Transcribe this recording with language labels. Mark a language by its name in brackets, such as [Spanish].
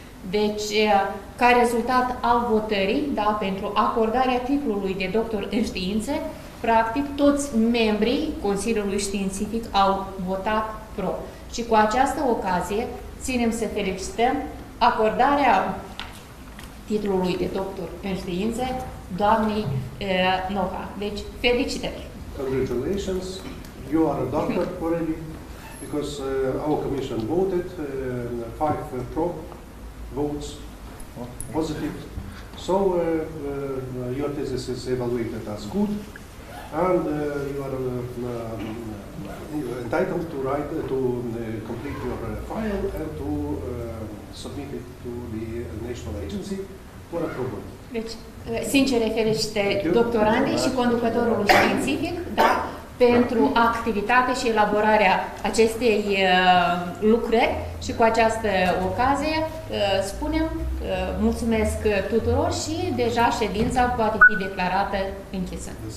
[Romanian] Deci, ca rezultat al votării, da, pentru acordarea titlului de doctor în științe, practic toți membrii Consiliului Științific au votat pro. Și cu această ocazie ținem să felicităm acordarea titlului de doctor în științe doamnei Noha. Deci, felicitări! [English] Congratulations! You are a doctor already, because our commission voted 5 pro votes, positive. So your thesis is evaluated as good, and you are entitled to write to complete your file and to submit it to the national agency for approval. [Romanian] Deci, sincere felicitări doctorandei și conducătorul științific, da, pentru activitate și elaborarea acestei lucrări și cu această ocazie spunem mulțumesc tuturor și deja ședința poate fi declarată închisă.